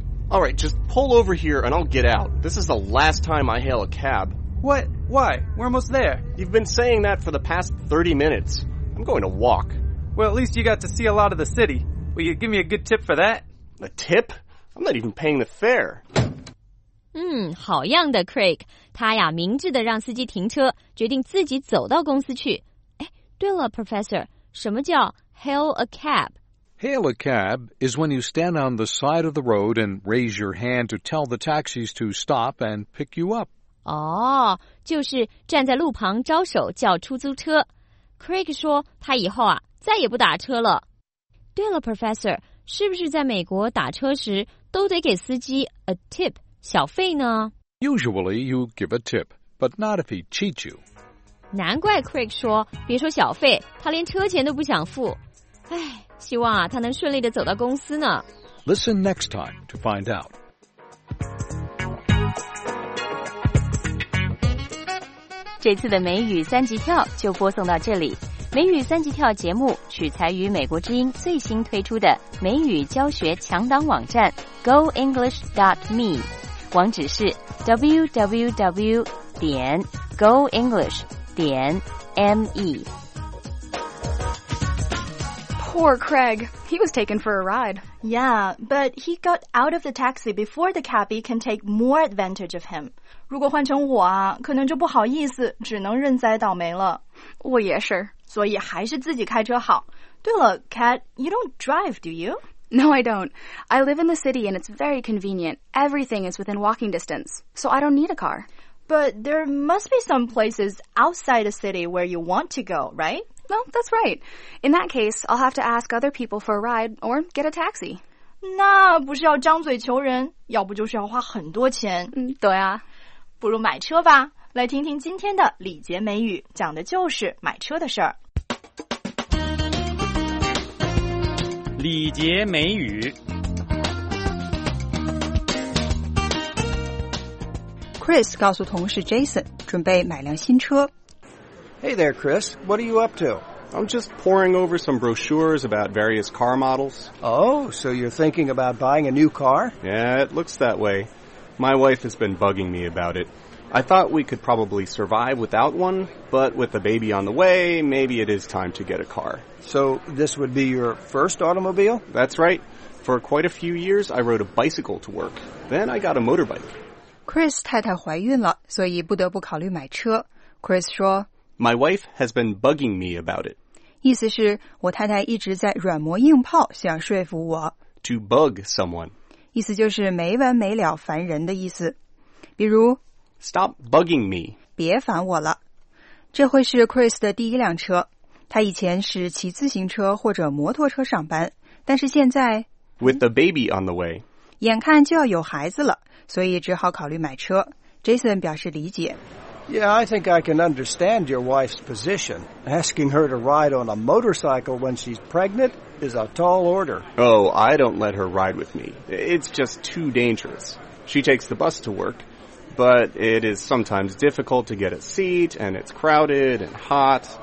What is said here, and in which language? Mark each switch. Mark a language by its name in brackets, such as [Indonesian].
[English] All right, just pull over here and I'll get out. This is the last time I hail a cab. What? Why? We're almost there. You've been saying that for the past 30 minutes. I'm going to walk. Well, at least you got to see a lot of the city. Will you give me a good tip for that? A tip? I'm not even paying the fare. [Chinese] 好样的 Craig, 他呀明智地让司机停车，决定自己走到公司去。哎，对了 Professor, 什么叫 [English] hail a cab? Hail a cab is when you stand on the side of the road and raise your hand to tell the taxis to stop and pick you up. [Chinese] 哦，就是站在路旁招手叫出租车。 Craig 说他以后啊再也不打车了。对了 Professor， 是不是在美国打车时都得给司机 [English] a tip [Chinese] 小费呢？ [English] Usually you give a tip, but not if he cheats you。 [Chinese] 难怪 Craig 说别说小费，他连车钱都不想付。哎，希望啊他能顺利的走到公司呢。 [English] Listen next time to find out。 [Chinese] 这次的美语三级跳就播送到这里。美语三级跳节目取材于美国之音最新推出的美语教学强档网站 goenglish.me， 网址是 www.goenglish.me。 [English] Poor Craig, he was taken for a ride. Yeah, but he got out of the taxi before the cabbie can take more advantage of him. [Chinese] 如果换成我啊，可能就不好意思，只能认栽倒霉了。我也是，所以还是自己开车好。对了 ，Kat, [English] you don't drive, do you? No, I don't. I live in the city and it's very convenient. Everything is within walking distance, so I don't need a car. But there must be some places outside the city where you want to go, right? Well, that's right. In that case, I'll have to ask other people for a ride or get a taxi. [Chinese] 那不是要张嘴求人，要不就是要花很多钱。对啊，不如买车吧。来听听今天的礼节美语，讲的就是买车的事儿。礼节美语。 Chris 告诉同事 Jason 准备买辆新车。 [English] Hey there, Chris. What are you up to? I'm just poring over some brochures about various car models. Oh, so you're thinking about buying a new car? Yeah, it looks that way. My wife has been bugging me about it. I thought we could probably survive without one, but with a baby on the way, maybe it is time to get a car. So this would be your first automobile? That's right. For quite a few years, I rode a bicycle to work. Then I got a motorbike. [Chinese] Chris 太太怀孕了，所以不得不考虑买车。Chris 说 [English] My wife has been bugging me about it. [Chinese] 意思是我太太一直在软磨硬泡想说服我。 [English] To bug someone. [Chinese] 意思就是没完没了烦人的意思。比如 [English] Stop bugging me. [Chinese] 别烦我了。这会是 Chris 的第一辆车。他以前是骑自行车或者摩托车上班。但是现在 [English] With the baby on the way. [Chinese] 眼看就要有孩子了，所以只好考虑买车。 Jason 表示理解。 [English] Yeah, I think I can understand your wife's position. Asking her to ride on a motorcycle when she's pregnant is a tall order. Oh, I don't let her ride with me. It's just too dangerous. She takes the bus to work, but it is sometimes difficult to get a seat, and it's crowded and hot.